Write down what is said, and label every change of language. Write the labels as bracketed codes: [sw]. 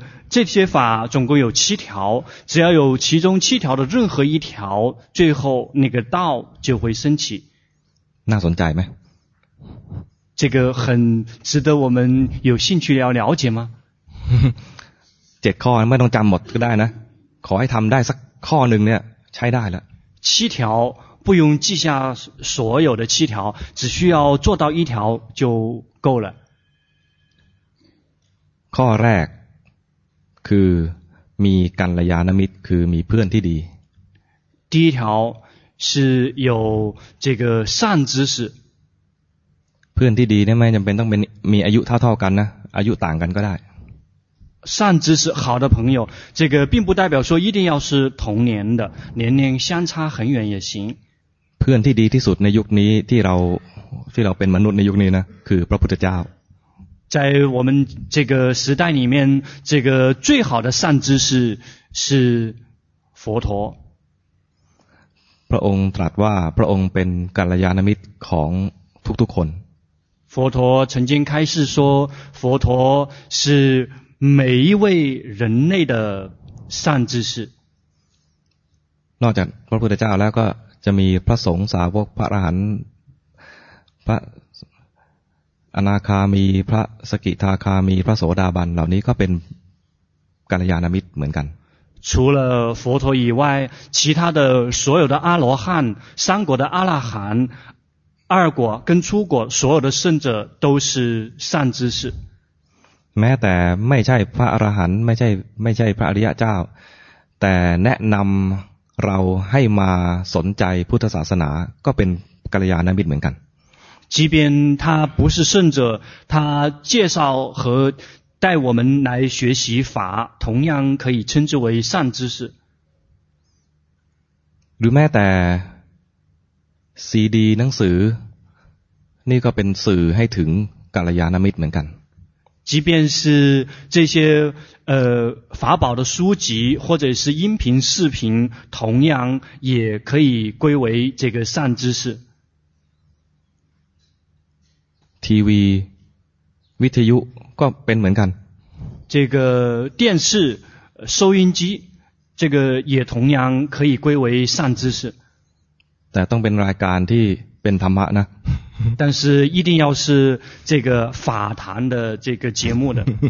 [zh] 这些法总共有七条只要有其中七条的任何一条最后那个道就会升起 [th] น่าสนใจไหม [zh] 这个很值得我们有兴趣要了解吗 [th] 7ข้อไม่ต้องจำหมดก็ได้นะขอให้ทำได้สักข้อหนึ่งเนี่ยใช้ได้แล้ว [zh] 七条不用记下所有的七条，只需要做到一条就够了。 [th] ข้อแรกคือมีกัลยาณมิตรคือมีเพื่อนที่ดี。 [zh] 第一条是有这个善知识。 [th] เพื่อนที่ดีเนี่ยไม่จำเป็นต้องเป็นมีอายุเท่าๆกันนะอายุต่างกันก็ได้ [zh] 善知识好的朋友，这个并不代表说一定要是同年的，年龄相差很远也行。 [th] เพื่อนที่ดีที่สุดในยุคนี้ที่เราเป็นมนุษย์ในยุคนี้นะคือพระพุทธเจ้า。 [zh] 在我们这个时代里面，这个最好的善知识是佛陀。 [th] พระองค์ตรัสว่าพระองค์เป็นกัลยาณมิตรของทุกๆคน。 [zh] 佛陀曾经开示说，佛陀是每一位人类的善知识。 [th] นอกจากพระพุทธเจ้าแล้วก็จะมีพระสงฆ์สาวกพระอรหันต์พระอนาคามีพระสกิทาคามีพระโสดาบันเหล่านี้ก็เป็นกัลยาณมิตรเหมือนกัน。 [zh] 除了佛陀以外，其他的所有的阿罗汉、三果的阿拉罕、二果跟初果，所有的圣者都是善知识。 [th] แม้แต่ไม่ใช่พระอรหันต์ไม่ใช่พระอริยะเจ้าแต่แนะนำเราให้มาสนใจพุทธศาสนาก็เป็นกัลยาณมิตรเหมือนกัน [zh] 即便他不是圣者他介绍和带我们来学习法同样可以称之为善知识 [th] หรือแม้แต่ซีดีหนังสือนี่ก็เป็นสื่อให้ถึงกัลยาณมิตรเหมือนกัน [zh] 即便是这些法宝的书籍或者是音频视频同样也可以归为这个善知识 [th] TV วิทยุก็เป็นเหมือนกัน [zh] 这个电视收音机这个也同样可以归为善知识 [th] แต่ต้องเป็นรายการที่เป็นธรรมะนะ [zh] 但是一定要是这个法坛的这个节目的。